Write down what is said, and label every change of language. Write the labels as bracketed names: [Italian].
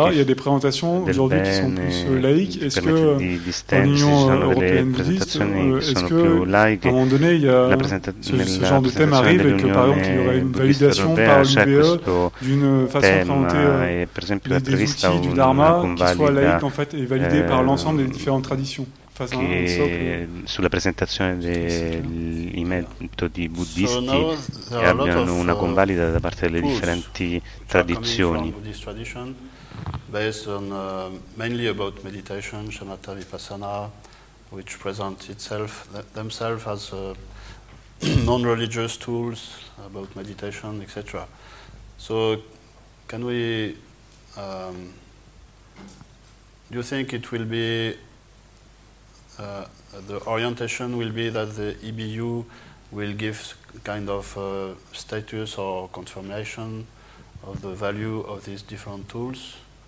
[French] Il y a des présentations aujourd'hui qui sont plus laïques. Est-ce que dans l'Union européenne bouddhiste, est-ce qu'à un moment donné, ce genre de thème arrive et que, par exemple, il y aurait une validation par l'UBE d'une façon de présenter des outils du Dharma qui soient laïques, en fait, et validés par l'ensemble des différentes traditions? [Italian] che sulla presentazione dei metodi buddhisti abbiano una convalida da parte delle differenti tradizioni. [English] Based on mainly about meditation, shamatha, vipassana, which present itself themselves as non-religious tools about meditation, etc. So, can we? Do you think it will be the orientation will be that the EBU will give kind of status or confirmation of the value of these different tools?